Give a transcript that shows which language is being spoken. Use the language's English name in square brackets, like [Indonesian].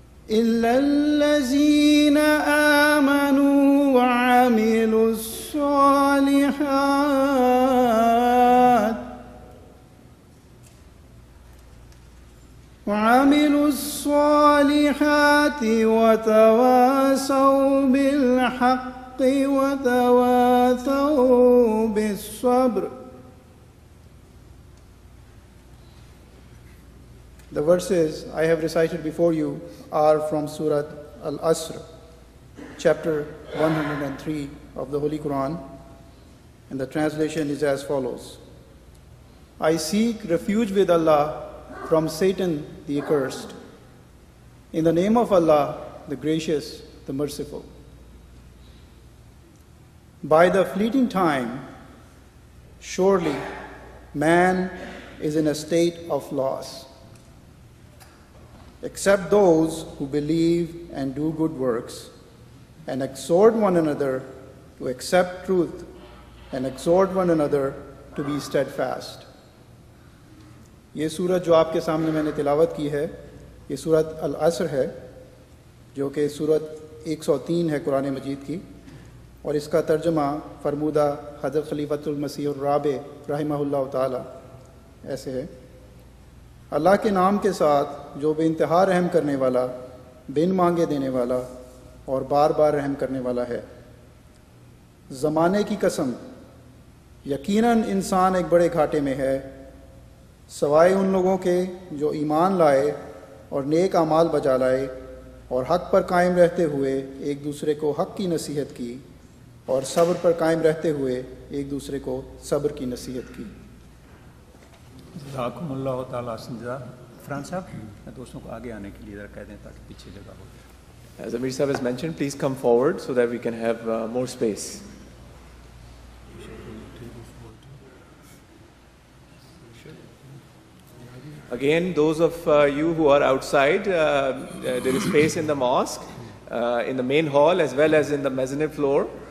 [Arabic] إلا الذين آمنوا وعملوا الصالحات وعملوا الصالحات وتواصوا بالحق وتواصوا بالصبر. [English] The verses I have recited before you are from Surah Al-Asr, chapter 103 of the Holy Quran, and the translation is as follows. I seek refuge with Allah from Satan the accursed. In the name of Allah, the gracious, the merciful. By the fleeting time, surely man is in a state of loss, except those who believe and do good works and exhort one another to accept truth and exhort one another to be steadfast. [Hindi] ये सूरत जो आपके सामने मैंने तिलावत की है, ये सूरत अल असर है, जो कि सूरत 103 है कुरान मजीद की, और इसका तर्जमा फरमूदा हज़रत खलीफतुल मसीह राबे रहिमहुल्लाह ताला ऐसे है. अल्लाह के नाम के साथ जो बेइंतहा रहम करने वाला, बिन मांगे देने वाला और बार बार रहम करने वाला है. ज़माने की कसम, यकीनन इंसान एक बड़े घाटे में है, सवाए उन लोगों के जो ईमान लाए और नेक आमाल बजा लाए और हक पर कायम रहते हुए एक दूसरे को हक की नसीहत की और सब्र पर कायम रहते हुए एक दूसरे को सब्र की नसीहत की. जज़ाकुमुल्लाहु तआला सिंजा. फरहान साहब, मैं दोस्तों को आगे आने के लिए इधर कह दें ताकि पीछे जगह हो. [English] As Amir Sahib has mentioned, please come forward so that we can have more space. Again, those of you who are outside, there is space in the mosque, in the main hall, as well as in the mezzanine floor.